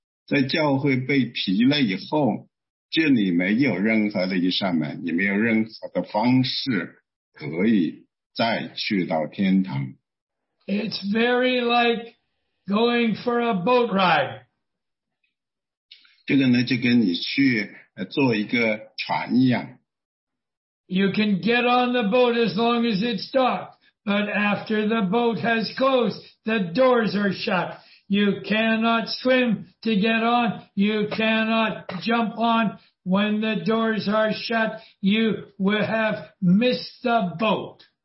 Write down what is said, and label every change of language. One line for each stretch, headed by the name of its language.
Chinese: 那这个就跟在人死了以后，他没有任何方式可以出地狱一样，在教会被提了以后。这里没有任何的一扇门，你没有任何的方式可以再去到天堂。
English: It's very like going for a boat ride.
Chinese: 这个呢，就跟你去坐一个船一样。
English: You can get on the boat as long as it's dark, but after the boat has closed, the doors are shut. You cannot swim to get on. You cannot jump on. When the doors are shut, you will have missed the boat.